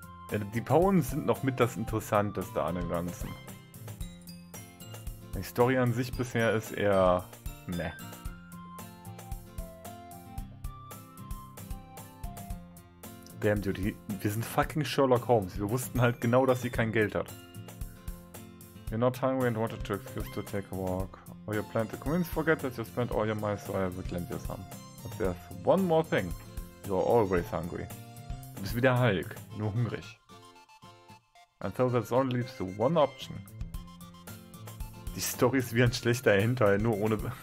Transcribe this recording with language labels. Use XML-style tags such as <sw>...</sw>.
<de>Ja, die Poems sind noch mit das Interessanteste an dem Ganzen. Die Story an sich bisher ist eher meh.</de> <en>Damn, dude,</en> <de>wir sind fucking Sherlock Holmes. Wir wussten halt genau, dass sie kein Geld hat.</de> <en>You're not hungry and wanted to excuse to take a walk. Or you plan to convince, forget that you spent all your money, so I have to lend you some. But there's one more thing. You're always hungry.</en> <de>Du bist wie der Hulk, nur hungrig.</de> <en>And so that's only leaves you one option.</en> <de>Die Story ist wie ein schlechter Hinterhalt, nur ohne...</de>